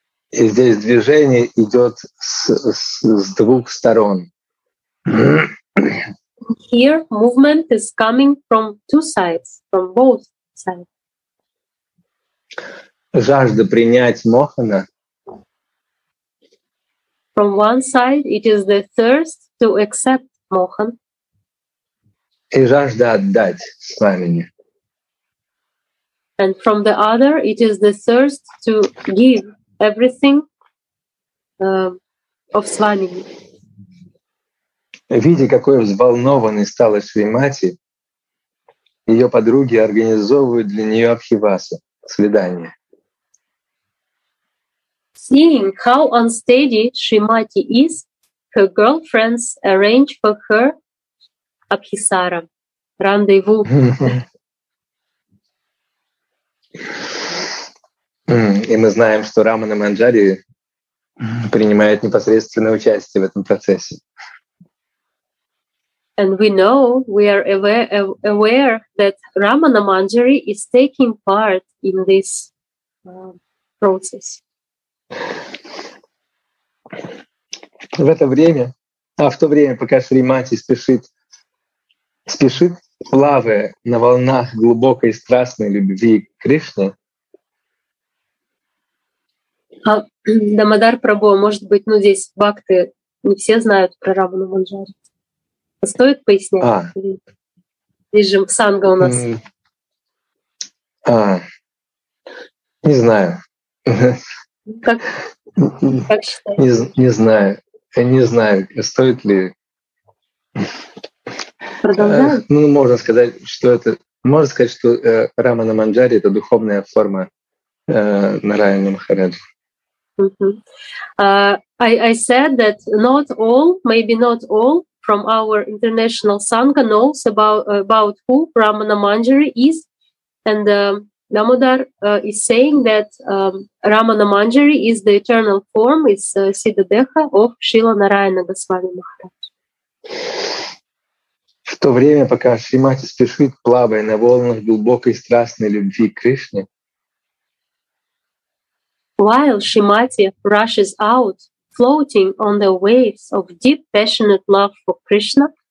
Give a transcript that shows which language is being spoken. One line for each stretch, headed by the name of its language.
Russian: И здесь движение идет с двух сторон.
English: Here movement is coming from two sides, from both sides.
Russian: Жажда принять Мохана.
English: From one side, it is the thirst to accept Mohan.
Russian: И жажда отдать Свамине.
English: And from the other, it is the thirst to give everything of Свамине.
Russian: Видя, какой взволнованной стала Шримати, ее подруги организовывают для нее Абхивасу. Свидание.
English: Seeing how unsteady Shrimati is, her girlfriends arrange for her Abhisara, rendezvous.
Russian: И мы знаем, что Рамана Манджари принимает непосредственное участие в этом процессе.
English: And we know, we are aware that Ramana Manjari is taking part in this process.
Russian: В это время, в то время, пока Шримати спешит, плавая на волнах глубокой страстной любви к Кришне. Дамодар Прабху, может быть, ну здесь бхакты не все знают про Рамана Манджари. Стоит пояснять? Здесь же санга у нас. Не знаю. Как считаешь? Не знаю. Я не знаю, стоит ли. Продолжаем? Можно сказать, что Рамана Манджари — это духовная форма Нараяны Махараджи.
English: I said that not all, maybe not all, from our international Sangha knows about who Ramana Manjari is. And Damodar is saying that Ramana Manjari is the eternal form, is Siddha Deha of Srila Narayana Goswami Maharaj.
Russian: В то время, пока Шримати спешит, плавая на волнах глубокой страстной любви к Кришне.
English: While Шримати rushes out, floating on the waves of deep passionate love for Krishna.